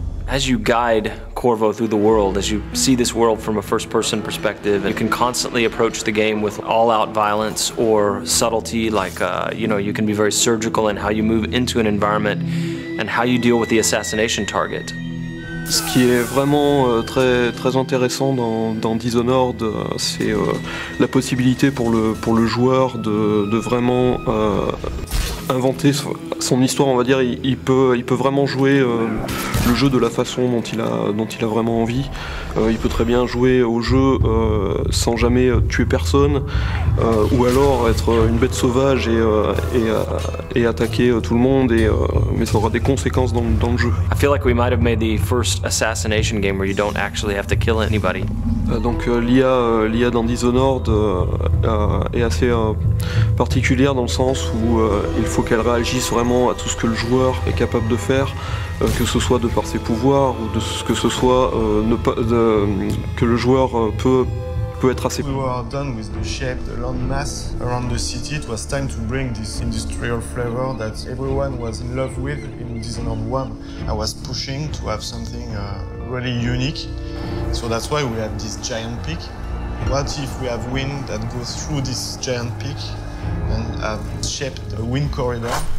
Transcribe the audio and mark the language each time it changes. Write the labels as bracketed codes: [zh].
[en] As you guide Corvo through the world, as you see this world from a first-person perspective, you can constantly approach the game with all-out violence or subtlety, like, you know, you can be very surgical in how you move into an environment and how you deal with the assassination target. [fr] Ce qui est vraiment très très intéressant dans Dishonored, c'est la possibilité pour le joueur de vraiment inventer son histoire, on va dire. Il peut vraiment jouer le jeu de la façon dont il a vraiment envie. Il peut très bien jouer au jeu sans jamais tuer personne, ou alors être une bête sauvage et attaquer tout le monde, mais ça aura des conséquences dans le jeu. [en] I feel like we might have made the first assassination game where you don't actually have to kill anybody. [fr] L'IA dans Dishonored est assez particulière dans le sens où il faut qu'elle réagisse vraiment à tout ce que le joueur est capable de faire, que ce soit de par ses pouvoirs ou de ce que ce soit que le joueur peut être assez. [en] We were done with the shape, the landmass around the city. It was time to bring this industrial flavor that everyone was in love with in Dishonored 1. I was pushing to have something really unique. So that's why we have this giant peak. What if we have wind that goes through this giant peak and have shaped a wind corridor?